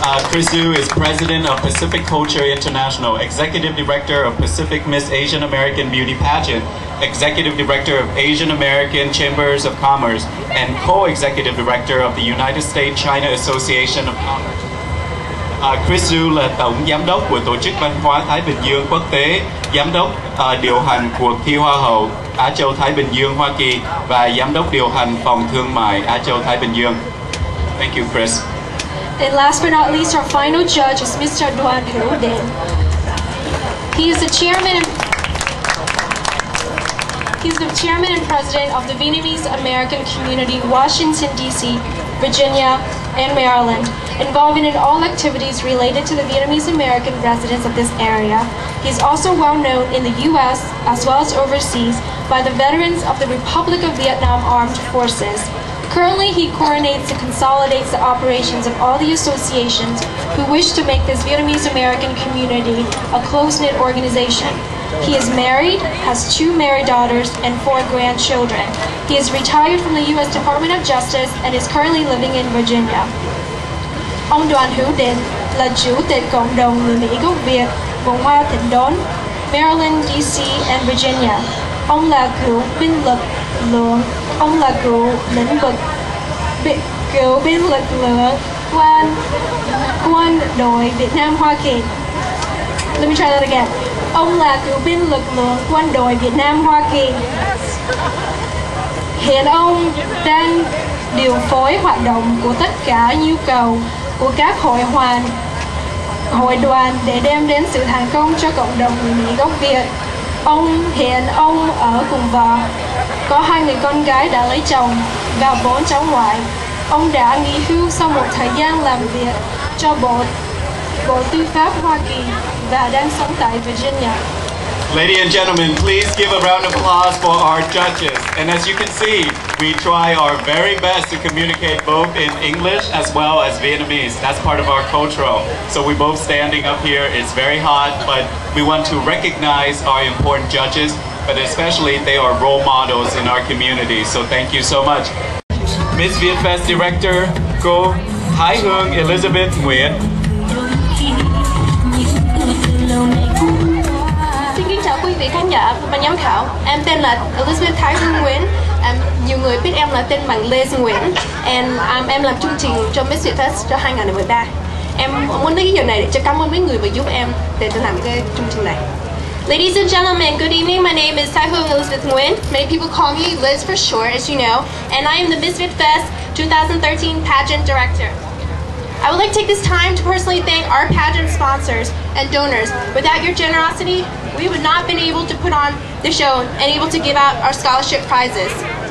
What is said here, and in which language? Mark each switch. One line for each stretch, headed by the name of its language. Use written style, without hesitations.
English: Chris Hu is president of Pacific Culture International, executive director of Pacific Miss Asian American Beauty Pageant, executive director of Asian American Chambers of Commerce, and co-executive director of the United States China Association of Commerce.
Vietnamese: Chris Hu là tổng giám đốc của Tổ chức Văn hóa Thái Bình Dương Quốc tế, giám đốc điều hành cuộc thi Hoa hậu Á Châu Thái Bình Dương Hoa Kỳ và giám đốc điều hành phòng thương mại Á Châu Thái Bình Dương.
English: Thank you, Chris. And last but not least, our final judge is Mr. Duan Hu Din. He's the chairman and president of the Vietnamese American community, Washington, D.C., Virginia, and Maryland, involving in all activities related to the Vietnamese American residents of this area. He's also well known in the U.S. as well as overseas by the veterans of the Republic of Vietnam Armed Forces. Currently, he coordinates and consolidates the operations of all the associations who wish to make this Vietnamese-American community a close-knit organization. He is married, has two married daughters, and four grandchildren. He is retired from the U.S. Department of Justice and is currently living in Virginia.
Vietnamese: Ông Đoàn Hữu Định là chủ tịch cộng đồng người Mỹ gốc Việt, vùng Hoa Thịnh Đốn, Maryland, D.C. and Virginia. Ông là cựu binh lực lượng. Ông là cựu lĩnh vực cựu binh lực lượng quân đội Việt Nam Hoa Kỳ.
English: Let me try that again.
Vietnamese: Ông là cựu binh lực lượng quân đội Việt Nam Hoa Kỳ. Hiện ông đang điều phối hoạt động của tất cả nhu cầu của các hội đoàn để đem đến sự thành công cho cộng đồng người Mỹ gốc Việt. Hiện ông ở cùng vợ, có hai người con gái đã lấy chồng và bốn cháu ngoại. Ông đã nghỉ hưu sau một thời gian làm việc cho Bộ Tư pháp Hoa Kỳ và đang sống tại Virginia.
English: Ladies and gentlemen, please give a round of applause for our judges. And as you can see, we try our very best to communicate both in English as well as Vietnamese. That's part of our cultural. So we both standing up here. It's very hot, but we want to recognize our important judges, but especially they are role models in our community. So thank you so much. Miss VietFest Director, Cô Thái Hương Elizabeth Nguyễn.
Vietnamese: Vị khán giả và giám khảo, em tên là Elizabeth Thái Hương Nguyễn. Nhiều người biết em là tên bằng Lê Nguyễn. Em làm chương trình cho Miss VietFest cho 2013. Em muốn lấy cái điều này để cho cảm ơn mấy người mà giúp em để tôi làm cái chương trình này.
English: Ladies and gentlemen, good evening. My name is Thái Hương Elizabeth Nguyễn. Many people call me Liz for short, as you know. And I am the Miss VietFest 2013 pageant director. I would like to take this time to personally thank our pageant sponsors and donors. Without your generosity, we would not have been able to put on the show and able to give out our scholarship prizes.